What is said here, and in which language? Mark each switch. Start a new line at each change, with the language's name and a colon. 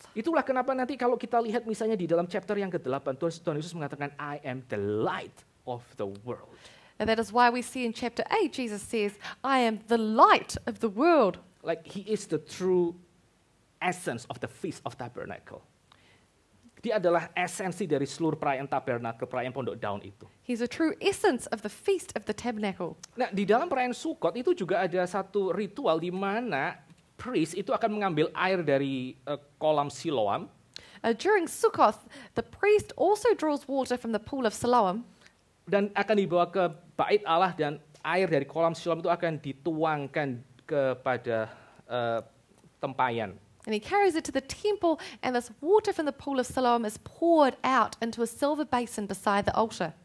Indonesian: Itulah kenapa nanti kalau kita lihat misalnya di dalam chapter yang ke-8, Tuhan Yesus mengatakan,
English: I am the light of the world. And that is why we see in chapter 8, Jesus says, I am the light of the world. Like he is the true essence of the Feast of Tabernacle.
Indonesian: Dia adalah esensi dari seluruh perayaan tabernakel, perayaan pondok daun itu.
English: He's a true essence of the Feast of the Tabernacle.
Indonesian: Nah, di dalam perayaan Sukkot itu juga ada satu ritual di mana priest itu akan mengambil air dari kolam Siloam.
English: During Sukkot, the priest also draws water from the pool of Siloam.
Indonesian: Dan akan dibawa ke bait Allah dan air dari kolam Siloam itu akan dituangkan kepada tempayan.
English: And he carries it to the temple, and this water from the pool of Siloam is poured out into a silver basin beside the altar.